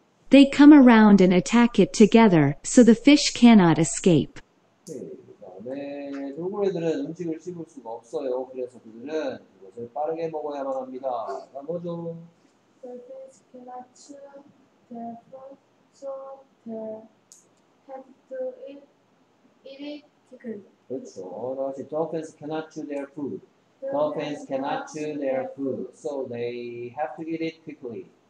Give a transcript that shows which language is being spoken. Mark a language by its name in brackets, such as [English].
[English] They come around and attack it together, so the fish cannot escape. [Korean] 네, 동물들은 음식을 씹을 수가 없어요. 그래서 그들은 이것을 빠르게 먹어야만 합니다. 자, 뭐죠? [English] The fish cannot chew their food, so they have to eat it. [Korean] 그렇죠. 다시 [English] dolphins cannot chew their food. Dolphins cannot chew their food, so they have to eat it quickly.